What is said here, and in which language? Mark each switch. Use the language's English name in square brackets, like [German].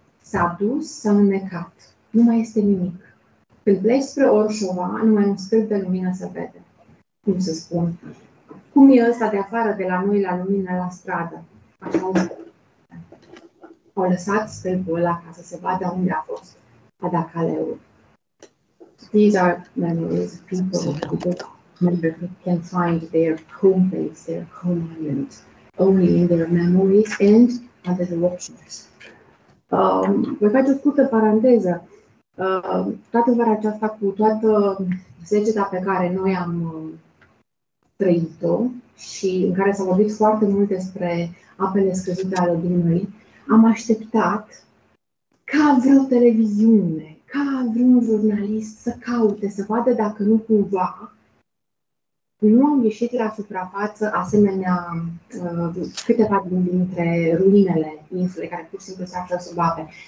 [Romanian] S-a dus, s-a înnecat. Nu mai este nimic. Când pleci spre Orșova, nu mai un strip de lumină se vede. Cum să spun? Cum e ăsta de afară, de la noi, la lumină, la stradă? Așa o au lăsat stâlpul ăla ca să se vadă unde a fost Tata Careul. [English] These are memories of people who can find their home place, their home island, only in their memories and under the watchers. [Romanian] Voi face o scurtă paranteză. Toată vara aceasta, cu toată seceta pe care noi am trăit-o și în care s-a vorbit foarte mult despre apele scăzute ale Dunării, am așteptat ca vreo televiziune, ca vreun jurnalist să caute, să vadă dacă nu cumva nu au ieșit la suprafață asemenea câteva dintre ruinele insule care pur și simplu se află sub ape.